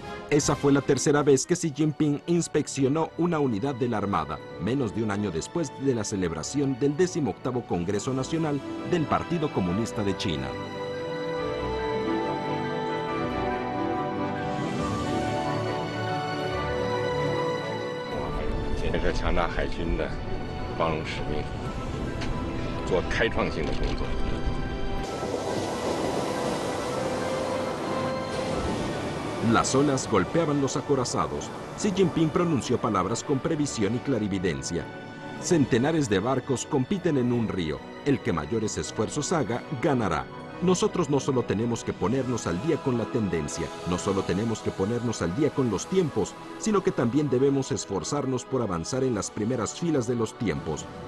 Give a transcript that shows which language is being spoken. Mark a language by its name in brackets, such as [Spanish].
[Spanish] Esa fue la tercera vez que Xi Jinping inspeccionó una unidad de la Armada, menos de un año después de la celebración del 18º Congreso Nacional del Partido Comunista de China. [Chinese] ...建设强大海军的光荣使命，做开创性的工作。 [Spanish] Las olas golpeaban los acorazados. Xi Jinping pronunció palabras con previsión y clarividencia. Centenares de barcos compiten en un río. El que mayores esfuerzos haga, ganará. Nosotros no solo tenemos que ponernos al día con la tendencia, no solo tenemos que ponernos al día con los tiempos, sino que también debemos esforzarnos por avanzar en las primeras filas de los tiempos.